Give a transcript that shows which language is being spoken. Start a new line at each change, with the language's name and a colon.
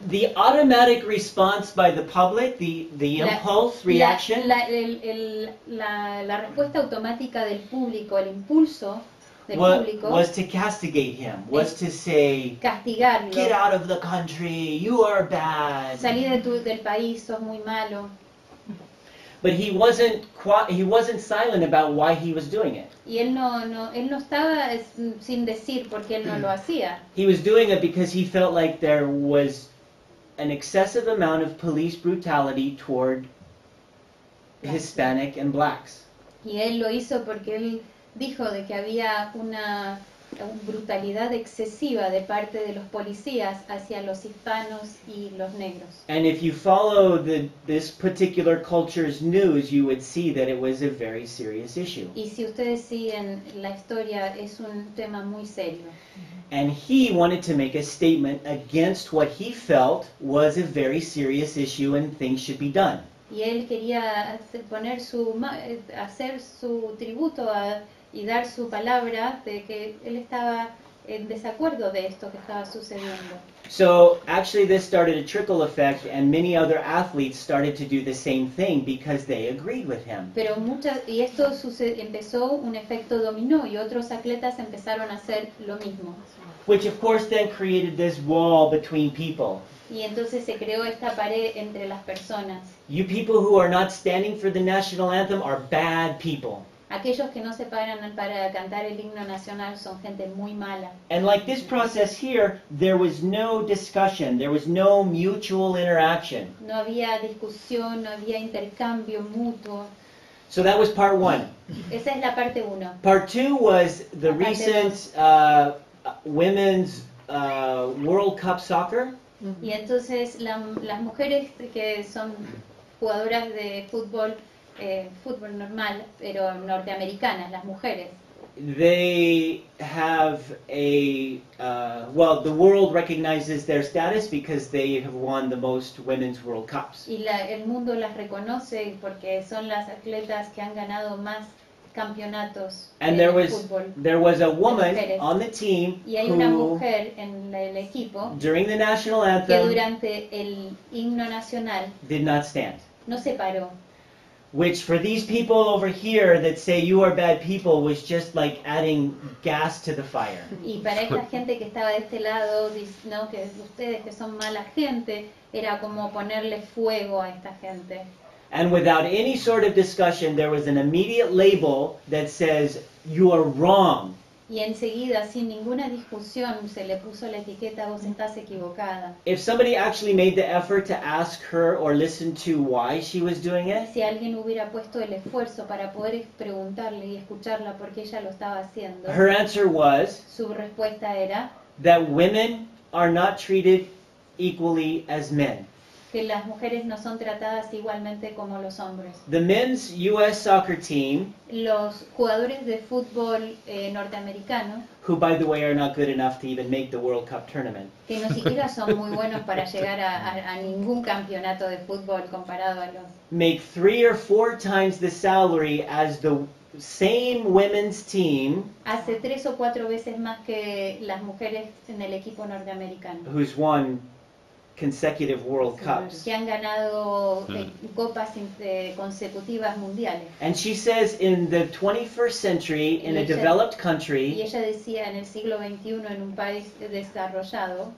English: The automatic response by the public, the impulse reaction.
Spanish: La respuesta automática del público, el impulso del público,
English: was to castigate him. Was to say,
Spanish: castigarlo.
English: Get out of the country. You are bad.
Spanish: Salí del país. Sos muy malo.
English: But he wasn't silent about why he was doing it.
Spanish: Y él no estaba sin decir por qué él no lo hacía.
English: He was doing it because he felt like there was an excessive amount of police brutality toward Hispanic and blacks.
Spanish: Y él lo hizo porque él dijo de que había una brutalidad excesiva de parte de los policías hacia los hispanos y los negros.
English: And if you follow this particular culture's news, you would see that it was a very serious issue.
Spanish: Y si ustedes siguen la historia, es un tema muy serio.
English: And he wanted to make a statement against what he felt was a very serious issue and things should be done.
Spanish: Y él quería hacer su tributo a y dar su palabra de que él estaba en desacuerdo de esto que estaba sucediendo.
English: So actually this started a trickle effect and many other athletes started to do the same thing because they agreed with him.
Spanish: Pero empezó un efecto dominó y otros atletas empezaron a hacer lo mismo.
English: Which of course then created this wall between people.
Spanish: Y entonces se creó esta pared entre las personas.
English: You people who are not standing for the national anthem are bad people.
Spanish: Aquellos que no se paran para cantar el himno nacional son gente muy mala.
English: And like this process here, there was no discussion, there was no mutual interaction.
Spanish: No había discusión, no había intercambio mutuo.
English: So that was part one.
Spanish: Esa es la parte uno.
English: Part two was the recent women's World Cup soccer.
Spanish: Y entonces las mujeres que son jugadoras de fútbol, fútbol normal, pero norteamericanas, las mujeres.
English: They have the world recognizes their status because they have won the most women's World Cups.
Spanish: Y el mundo las reconoce porque son las atletas que han ganado más campeonatos de fútbol.
English: And there was a woman on the team
Spanish: y hay una mujer en el equipo
English: during the national anthem
Spanish: que durante el himno nacional
English: did not stand.
Spanish: No se paró.
English: Which for these people over here that say you are bad people was just like adding gas to the fire.
Spanish: Y para esta gente que estaba de este lado, no, que ustedes que son mala gente, era como ponerle fuego a esta gente.
English: And without any sort of discussion, there was an immediate label that says you are wrong.
Spanish: Y enseguida, sin ninguna discusión, se le puso la etiqueta, vos estás equivocada.
English: If somebody actually made the effort to ask her or listen to why she was doing it,
Spanish: si alguien hubiera puesto el esfuerzo para poder preguntarle y escucharla por qué ella lo estaba haciendo,
English: her answer was,
Spanish: su respuesta era,
English: that women are not treated equally as men.
Spanish: Que las mujeres no son tratadas igualmente como los hombres.
English: The men's U.S. soccer team,
Spanish: los jugadores de fútbol norteamericano,
English: who by the way are not good enough to even make the World Cup tournament,
Spanish: que no siquiera son muy buenos para llegar a ningún campeonato de fútbol comparado a los,
English: make three or four times the salary as the same women's team,
Spanish: hace tres o cuatro veces más que las mujeres en el equipo norteamericano,
English: who's won consecutive World Cups.
Spanish: Que han ganado copas consecutivas mundiales.
English: And she says in the 21st century, in a developed country,
Spanish: y ella decía en el siglo 21 en un país desarrollado,